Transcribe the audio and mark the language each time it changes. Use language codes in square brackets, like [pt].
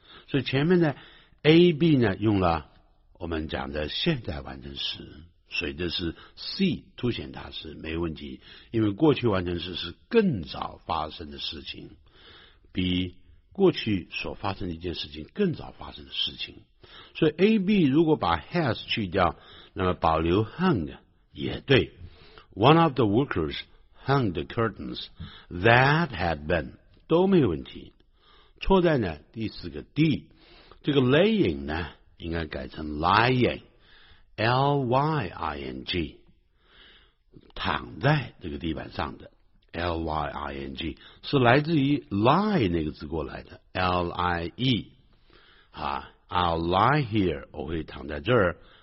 [zh] 所以前面的 A、B 呢用了我们讲的现在完成时，所以这是 C 凸显它是没问题，因为过去完成时是更早发生的事情，比过去所发生的一件事情更早发生的事情。所以 AB 如果把 has 去掉，那么保留 hung 也对。 [en] One of the workers hung the curtains that had been [zh] 都没问题。错在呢第四个 D， 这个 laying 呢应该改成 lying， L-Y-I-N-G， 躺在这个地板上的L-Y-I-N-G 是来自于 lie 那个字过来的 L-I-E、 [en] I'll lie here， [zh] 我会躺在这儿。